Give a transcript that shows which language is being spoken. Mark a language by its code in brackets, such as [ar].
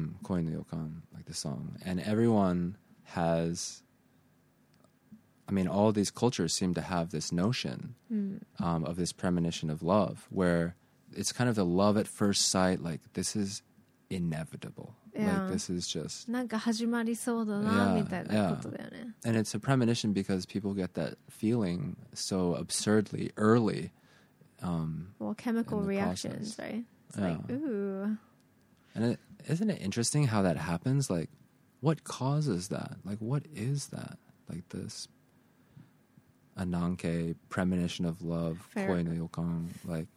[en] 恋の予感, like the song. And everyone has, I mean, all these cultures seem to have this notion of this premonition of love, where it's kind of the love at first sight, like this is inevitable. Like, this is just... [ja] なんか始まりそうだな、みたいなことだよね。 [en] And it's a premonition because people get that feeling so absurdly early. Well, chemical reactions, right? It's like, ooh. And isn't it interesting how that happens? Like, what causes that? Like, what is that? Like, this ananke, premonition of love, koi no yokan, like...